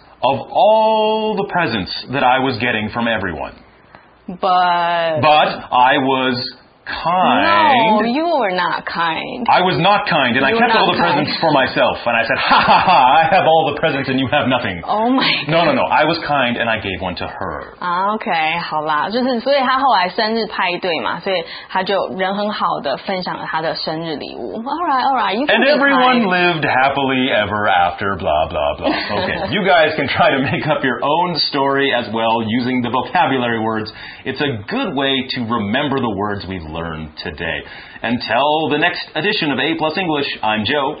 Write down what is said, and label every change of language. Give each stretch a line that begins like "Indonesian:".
English: Of all the presents that I was getting from everyone. But I was kind. No, you were not kind. I was not kind, and、 you、 I kept all the、 kind. Presents for myself. And I said, ha ha ha, I have all the presents and you have nothing. Oh my God. No, no, no, I was kind and I gave one to her.
Chinese: Okay, 好啦，就是所以他后来生日派对嘛，所以他就人很好的分享了他的生日礼物。
English: All right, you can And everyone lived happily ever after, blah, blah, blah. Okay, you guys can try to make up your own story as well using the vocabulary words. It's a good way to remember the words we've learn today. Until the next edition of A Plus English, I'm Joe.